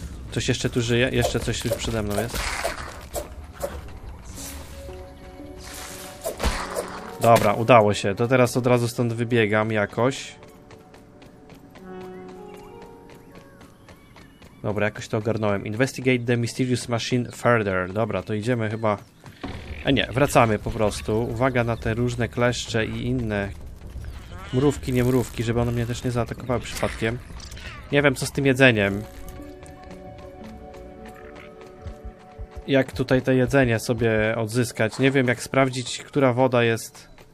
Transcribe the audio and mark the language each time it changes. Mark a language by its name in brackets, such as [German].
[Polish] Coś jeszcze tu żyje? Jeszcze coś już przede mną jest? Dobra, udało się. To teraz od razu stąd wybiegam jakoś. Dobra, jakoś to ogarnąłem. [English] Investigate the mysterious machine further. [Polish] Dobra, to idziemy chyba... A nie, wracamy po prostu. Uwaga na te różne kleszcze i inne mrówki, nie mrówki, żeby one mnie też nie zaatakowały przypadkiem. Nie wiem, co z tym jedzeniem. Jak tutaj to jedzenie sobie odzyskać? Nie wiem, jak sprawdzić, która woda jest...